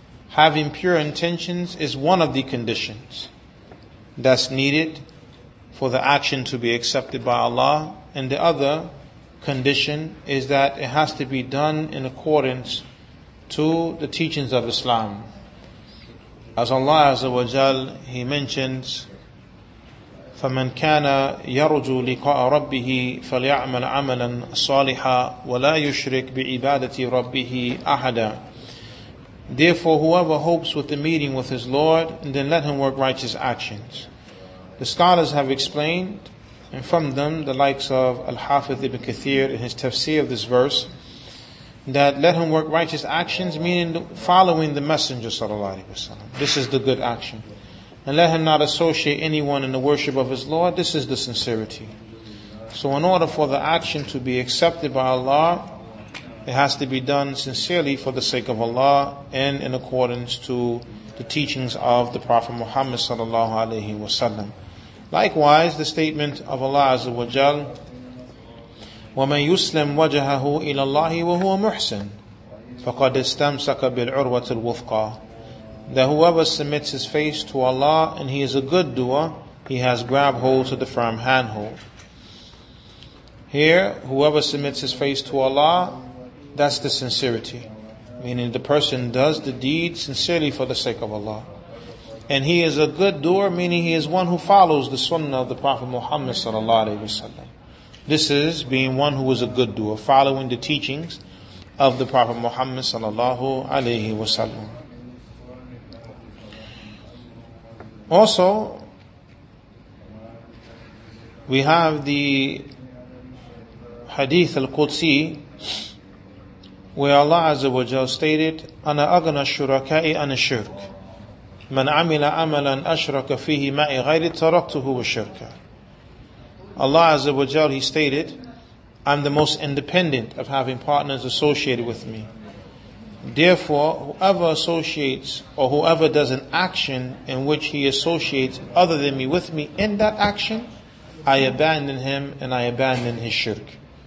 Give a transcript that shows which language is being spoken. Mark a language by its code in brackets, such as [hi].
[en] Having pure intentions is one of the conditions that's needed for the action to be accepted by Allah. And the other condition is that it has to be done in accordance to the teachings of Islam. [ar] As Allah Azza wa Jal, He mentions, فَمَنْ كَانَ يَرْجُو لِقَاءَ رَبِّهِ فَلْيَعْمَلْ عَمَلًا صَالِحًا وَلَا يُشْرِكْ بِعِبَادَةِ رَبِّهِ أَحَدًا. [en] Therefore, whoever hopes with the meeting with his Lord, then let him work righteous actions. The scholars have explained, and from them the likes of Al-Hafidh ibn Kathir in his tafsir of this verse, that let him work righteous actions, meaning following the Messenger sallallahu alayhi wa sallam. This is the good action. And let him not associate anyone in the worship of his Lord. This is the sincerity. So in order for the action to be accepted by Allah, it has to be done sincerely for the sake of Allah and in accordance to the teachings of the Prophet Muhammad sallallahu alaihi wasallam. [ar] Likewise, the statement of Allah Azza wa Jal, وَمَنْ يُسْلِمْ وَجَهَهُ إِلَى اللَّهِ وَهُوَ مُحْسِنٌ فَقَدْ اسْتَمْسَكَ بِالْعُرْوَةِ الْوُثْقَى. [en] That whoever submits his face to Allah and he is a good doer, he has grabbed hold to the firm handhold. Here, whoever submits his face to Allah, that's the sincerity. Meaning the person does the deed sincerely for the sake of Allah. And he is a good doer, meaning he is one who follows the sunnah of the Prophet Muhammad sallallahu alaihi wasallam. This is being one who is a good doer, following the teachings of the Prophet Muhammad sallallahu alaihi wasallam. [ar] Also, we have the Hadith al-Qudsi, where Allah Azza wa Jal stated, أَنَا أَغْنَى الشُّرَكَاءِ أَنَا الشِّرْكِ مَنْ عَمِلَ عَمَلًا أَشْرَكَ فِيهِ مَعِ غَيْرِ تَرَكْتُهُ وَشِرْكَ. [en] Allah Azza wa Jal, He stated, I'm the most independent of having partners associated with me. Therefore, whoever associates or whoever does an action in which he associates other than me with me in that action, I abandon him and I abandon his shirk.